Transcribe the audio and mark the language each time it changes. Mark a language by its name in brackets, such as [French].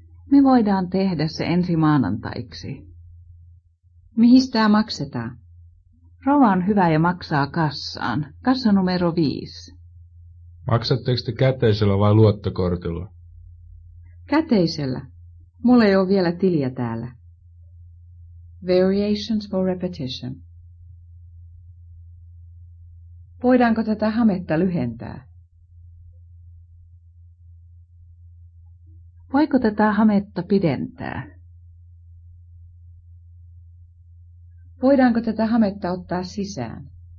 [Finnish] Me voidaan tehdä se ensi maanantaiksi. Mihin tämä maksetaan? Rouva on hyvä ja maksaa kassaan. Kassa numero 5. Maksatteko te käteisellä vai luottokortilla? Käteisellä. Mulla ei ole vielä tiliä täällä. [English] Variations for repetition. [Finnish] Voidaanko tätä hametta lyhentää? Voiko tätä hametta pidentää? Voidaanko tätä hametta ottaa sisään?